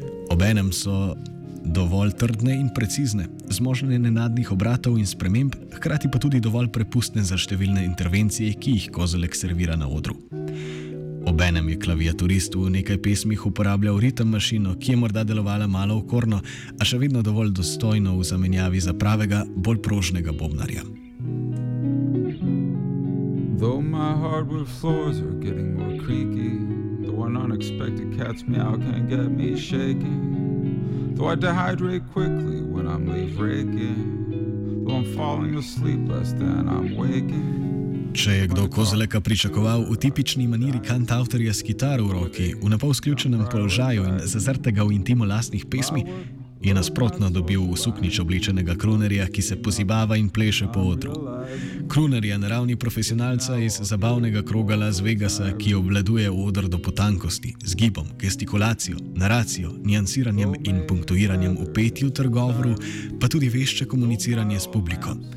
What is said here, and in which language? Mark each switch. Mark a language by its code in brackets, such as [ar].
[sl] Obenem so dovolj trdne in precizne, zmožne nenadnih obratov in sprememb, hkrati pa tudi dovolj prepustne za številne intervencije, ki jih Kozelek servira na odru. Obenem je klaviaturist v nekaj pesmih uporabljal ritem mašino, ki je morda delovala malo okorno, a še vedno dovolj dostojno v zamenjavi za pravega, bolj prožnega bobnarja. [en] Though my hardwood floors are getting more creaky, though an unexpected cat's meow can get me shaking, though I dehydrate quickly when I'm leaf raking, though I'm falling asleep less than I'm waking. [sl] Če je kdo Kozeleka pričakoval v tipični maniri kantavtorja s kitaro v roki, v napol sključenem položaju in zazrtega v intimo lastnih pesmi, je nasprotno dobil usuknič oblečenega krunerja, ki se pozibava in pleše po odru. Kruner je na ravni profesionalca iz zabavnega kroga Las Vegasa, ki obvladuje odr do potankosti, z gibom, gestikulacijo, naracijo, nijansiranjem in punktuiranjem v petju ter govoru, pa tudi vešče komuniciranje s publiko.